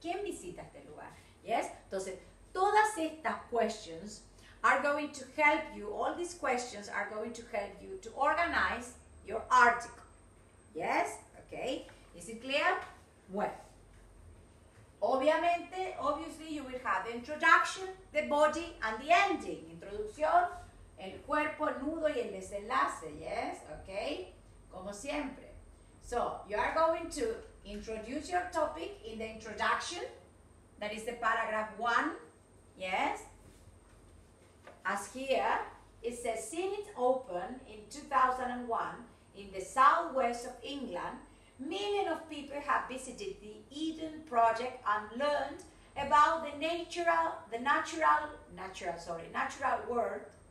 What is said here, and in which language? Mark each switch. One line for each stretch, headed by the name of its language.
Spanish: ¿Quién visita este lugar?
English: Yes.
Spanish: Entonces, todas estas
English: questions are going to help you, all these questions are going to help you to organize your article. Yes? Okay. Is it clear? Well, obviously you will have the introduction, the body, and the ending.
Spanish: Introducción, el cuerpo, el nudo, y el desenlace.
English: Yes? Okay?
Spanish: Como siempre.
English: So, you are going to introduce your topic in the introduction. That is the paragraph 1. Yes? As here, it says, since it opened in 2001, in the southwest of England, millions of people have visited the Eden Project and learned about the natural world.